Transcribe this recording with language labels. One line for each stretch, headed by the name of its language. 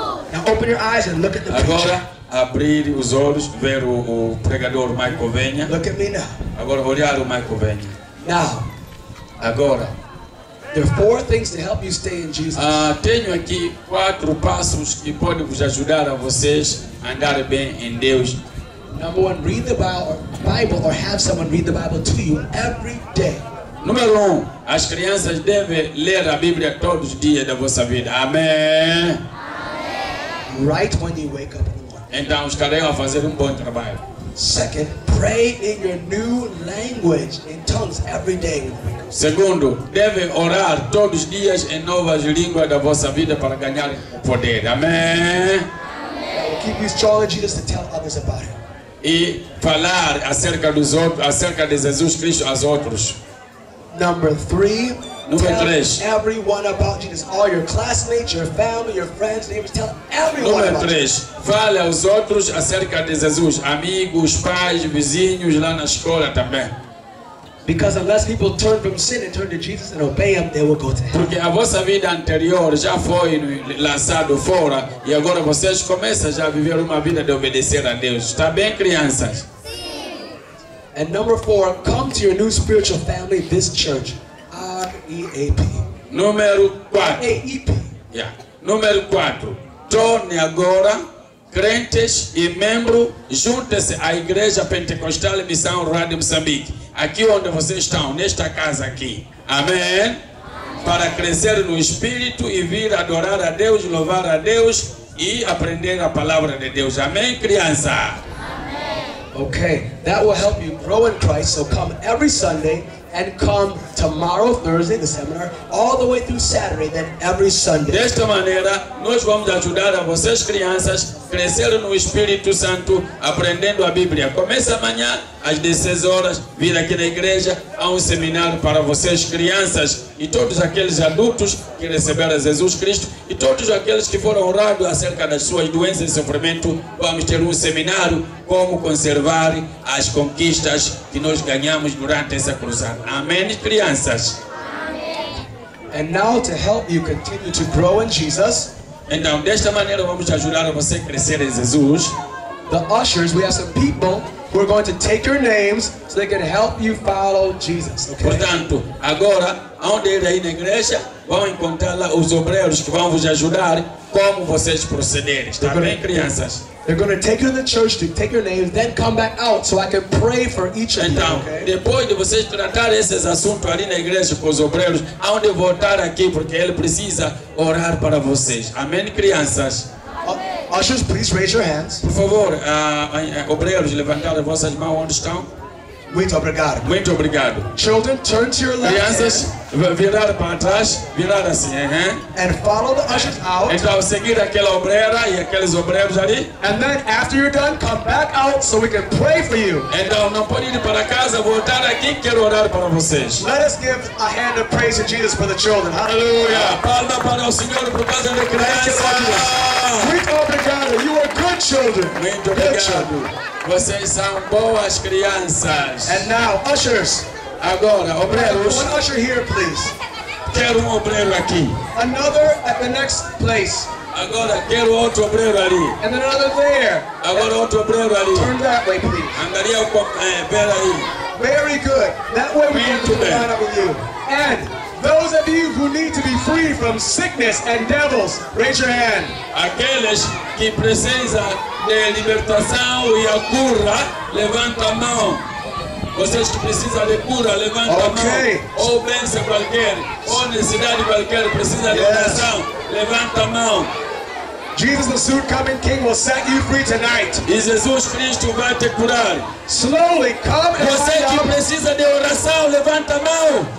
Portuguese: Agora abrir os olhos, ver o pregador Michael Venha.
English: Look at me now.
Portuguese: Agora olhar o Michael Venha.
English: Now,
Portuguese: agora.
English: There are four things to help you stay in Jesus.
Portuguese: Tenho aqui quatro passos que podem vos ajudar a vocês andar bem em Deus.
English: Number one, read the Bible or have someone read the Bible to you every day.
Portuguese: Número um, as crianças devem ler a Bíblia todos os dias da vossa vida. Amém.
English: Right when you wake up in the morning.
Portuguese: Então estarei a fazer bom trabalho.
English: Second, pray in your new language in tongues every day.
Portuguese: Segundo, deve orar todos os dias em novas línguas da vossa vida para ganhar poder. Amém.
English: Keep you strong in Jesus to tell others about it.
Portuguese: E falar acerca dos outros, acerca de Jesus Cristo aos outros.
English: Number three.
Portuguese: Número 3.
English: Tell everyone about Jesus. All your classmates, your family, your friends, neighbors. Tell everyone.
Portuguese: Número 3. Fale aos outros acerca de Jesus. Amigos, pais, vizinhos, lá na escola também.
English: Because unless people turn from sin and turn to Jesus and obey Him, they will go to hell.
Portuguese: Porque a vossa vida anterior já foi lançada fora e agora vocês começam já a viver uma vida de obedecer a Deus. Está bem, crianças? Sim.
English: And number 4, come to your new spiritual family, this church. R-E-A-P.
Portuguese: Número 4.
English: R-E-A-P.
Portuguese: Yeah. Número 4. Torne agora crentes e membros, junte-se à Igreja Pentecostal Missão Rádio Moçambique, aqui onde vocês estão, nesta casa aqui. Amém? Para crescer no Espírito e vir adorar a Deus, louvar a Deus e aprender a palavra de Deus. Amém, criança? Amém.
English: Ok, that will help you grow in Christ, so come every Sunday and come tomorrow, Thursday, the seminar, all the way through Saturday, then every Sunday.
Portuguese: Desta maneira, nós vamos ajudar a vocês, crianças, crescer no Espírito Santo, aprendendo a Bíblia. Começa amanhã, às 16 horas, vir aqui na igreja, há um seminário para vocês, crianças, e todos aqueles adultos que receberam Jesus Cristo, e todos aqueles que foram orados acerca das suas doenças e sofrimento, vamos ter um seminário, como conservar as conquistas que nós ganhamos durante essa cruzada. Amém, crianças?
English: And now to help you continue to grow in Jesus.
Portuguese: Então, desta maneira vamos ajudar você a crescer em Jesus.
English: The ushers, we have some people who are going to take your names so they can help you follow Jesus. Okay?
Portuguese: Portanto, agora, onde ele aí na igreja, vão encontrar lá os obreiros que vão vos ajudar como vocês procederem. Está bem, crianças?
English: They're going to take you to the church to take your names, then come back out so I can pray for each of
Portuguese: então,
English: you. Okay?
Portuguese: Depois de vocês tratar esses assuntos ali na igreja com os obreiros, aonde voltar aqui porque ele precisa orar para vocês. Amém, crianças?
English: Amém. Ushers, please raise your hands.
Portuguese: Por favor, obreiros, levantar as vossas mãos onde estão. Muito obrigado. Muito obrigado.
English: Children, turn to your left.
Portuguese: Crianças, virar para trás, virar assim, uh-huh.
English: And follow the ushers out.
Portuguese: Então, seguir aquela obreira e aqueles obreiros ali.
English: And then, after you're done, come back out so we can pray for you.
Portuguese: Então, não pode ir para casa, voltar aqui, quero orar para vocês.
English: Let us give a hand of praise to Jesus for the children.
Portuguese: Aleluia. Palma para o Senhor por causa da criança. Muito obrigado.
English: You are good children.
Portuguese: Muito obrigado. Vocês são boas crianças.
English: And now, ushers.
Portuguese: Agora, obreiros.
English: One usher here, please.
Portuguese: Quero obreiro aqui.
English: Another at the next place.
Portuguese: Agora, quero outro obreiro ali.
English: And another there.
Portuguese: Agora,
English: and
Portuguese: outro obreiro ali.
English: Turn that way, please.
Portuguese: Angaria, pera aí.
English: Very good. That way we can line up with you. And those of you who need to be free from sickness and devils, raise your hand.
Portuguese: Aqueles que precisam de libertação e a cura, levanta a mão. Vocês que precisam de cura, levanta
English: okay.
Portuguese: a mão. Ou bênção qualquer, ou necessidade qualquer, precisa de oração, levanta a mão.
English: Jesus, the soon coming King, will set you free tonight.
Portuguese: E Jesus Cristo vai te curar.
English: Slowly, come and
Portuguese: Você que precisa de oração, levanta a mão.